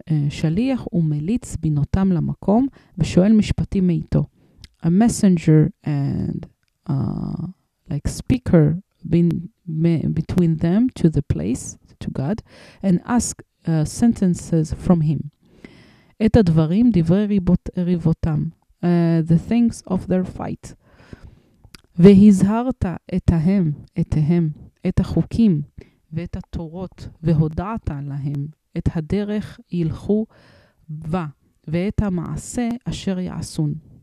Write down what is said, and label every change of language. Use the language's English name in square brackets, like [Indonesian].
[Hebrew] שליח ומליץ בינותם למקום ושואל משפטים מאיתו. [English] A messenger and like speaker between them to the place, to God, and ask sentences from him. [Hebrew] את הדברים דברי ריבותם. [English] The things of their fight. [Hebrew] והזהרת אתיהם, את החוקים ואת התורות, והודעת להם את הדרך ילכו בה, ואת המעשה אשר יעשון.